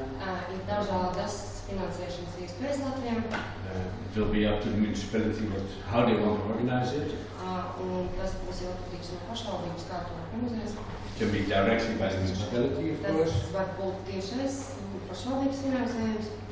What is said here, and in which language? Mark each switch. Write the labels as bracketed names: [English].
[English] It will be up to the municipality what, how they want to organize it. [Latvian] Un tas būs jau tiks no pašvaldības, kā to organizēs. [English] It can be directly by the municipality, of [Latvian] tas [English] course. [Latvian] Tas var būt tiešais pašvaldības finansējums.